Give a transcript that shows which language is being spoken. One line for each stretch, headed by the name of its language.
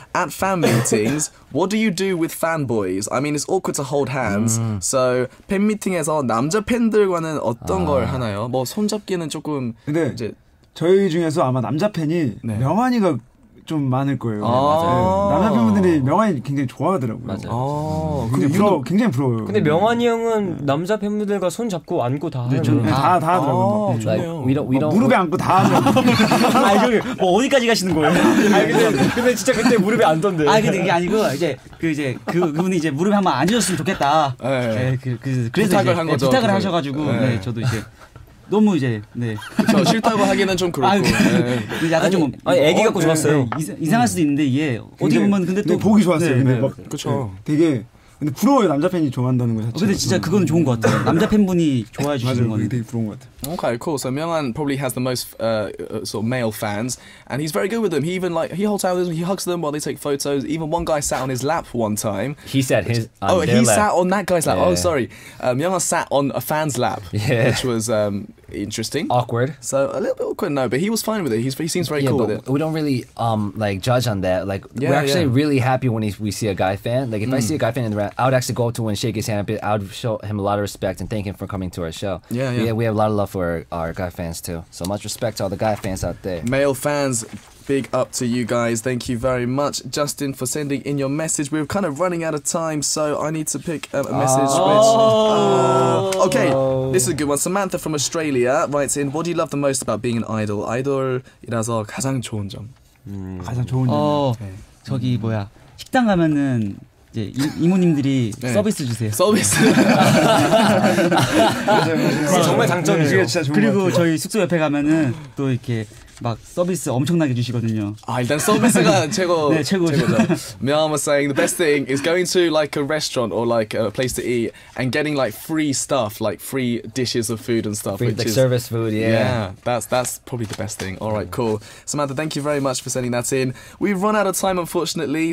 English: At fan meetings, what do you do with fanboys? I mean, it's awkward to hold hands.
Korean: So, 팬 미팅에서 남자 팬들과는 어떤 걸 하나요? 뭐 손잡기는 조금 근데 이제 저희 중에서 아마 남자 팬이 네. 명한이가 좀 많을 거예요. 남자 팬분들이 명한이 굉장히 좋아하더라고요. 맞아요. 굉장히 부러워요. 근데 명한이 형은 남자 팬분들과 손 잡고 안고 다 하죠. 네, 다 하더라고요.
English: 네. Like, we don't
Korean: 무릎에 안고 다 하죠. 뭐 어디까지 가시는 거예요? 아니, 근데 진짜 그때 무릎에 앉던데. 아 근데 이게 아니고 이제 그분이 이제 무릎에 한번 앉으셨으면 좋겠다. 네. 그래서 부탁을 한 거죠. 부탁을 하셔가지고 네. 네, 저도 이제. 너무 이제 네 그렇죠. 싫다고 하기는 좀 그렇고 네. 약간 아니, 좀 아니 애기 갖고 좋았어요. 이상할 수도 있는데 이게 어디 보면 근데 또 보기 좋았어요. 네, 막 그렇죠. 되게 근데 부러워요. 남자 팬이 좋아한다는 거 자체. 근데 진짜 그건 좋은 거 같아요. 남자 팬분이 좋아해 주시는 거는 되게 부러운 거 같아요.
English: Okay, cool. So Myung-hyun probably has the most sort of male fans, and he's very good with them. He even like he holds hands with them, he hugs them while they take photos. Even one guy sat on his lap one time. He sat his. Oh, he sat on that guy's lap. Yeah. Oh, sorry. Myung-hyun sat on a fan's lap, yeah. which was interesting. Awkward. So a little bit awkward, no, but he was fine with it. He seems very cool with it. We don't really like judge on that. Like really happy when we see a guy fan. Like if I see a guy fan in the round, I would actually go up to him and shake his hand a bit. I would show him a lot of respect and thank him for coming to our show. Yeah, we have a lot of love for our guy fans too. So much respect to all the guy fans out there. Male fans, big up to you guys. Thank you very much, Justin, for sending in your message. We're kind of running out of time, so I need to pick a message. This is a good one. Samantha from Australia writes in, what do you love the most about being an idol?
Korean: 아이돌이라서 가장 좋은 점. 가장 좋은 점. 저기 뭐야, 식당 가면은 이제 이모님들이 서비스 주세요. 서비스. 정말 장점이죠. 네, 진짜 그리고 저희 숙소 옆에 가면은 또 이렇게 막 서비스 엄청나게 주시거든요. 아 일단 서비스가 최고. 네 최고죠.
English: Miam was saying the best thing is going to like a restaurant or like a place to eat and getting like free stuff, like free dishes of food and stuff. Free, which like is, service food, yeah. Yeah, that's probably the best thing. All right, cool. Samantha, thank you very much for sending that in. We've run out of time, unfortunately.